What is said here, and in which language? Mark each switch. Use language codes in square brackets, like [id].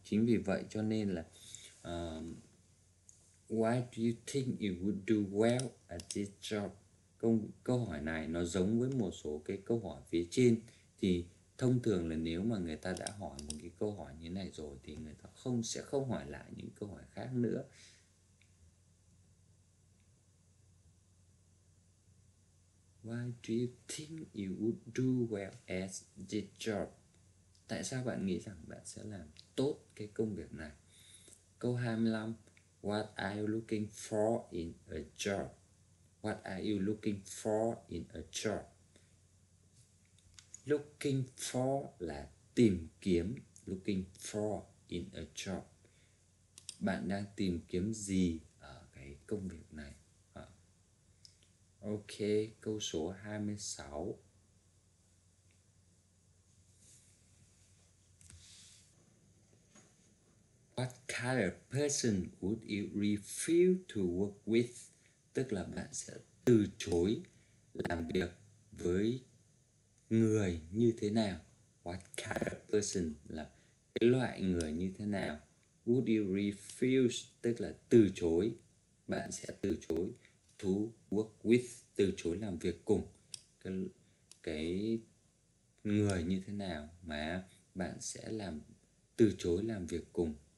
[vi] Chính vì vậy cho nên là [en] why do you think you would do well at this job? [vi] Câu hỏi này nó giống với một số cái câu hỏi phía trên. Thì thông thường là nếu mà người ta đã hỏi một cái câu hỏi như này rồi thì người ta không sẽ không hỏi lại những câu hỏi khác nữa. [en] Why do you think you would do well at this job? [vi] Tại sao bạn nghĩ rằng bạn sẽ làm tốt cái công việc này? Câu 25. [en] What are you looking for in a job? What are you looking for in a job? Looking for [vi] là tìm kiếm. [en] Looking for in a job. [vi] Bạn đang tìm kiếm gì ở cái công việc này? Ok, câu số 26. [en] What kind of person would you refuse to work with? [vi] Tức là bạn sẽ từ chối làm việc với người như thế nào, [en] what kind of person, [vi] là cái loại người như thế nào. [en] Would you refuse, [vi] tức là từ chối, bạn sẽ từ chối [en] to work with, [vi] từ chối làm việc cùng cái người như thế nào mà bạn sẽ làm từ chối làm việc cùng.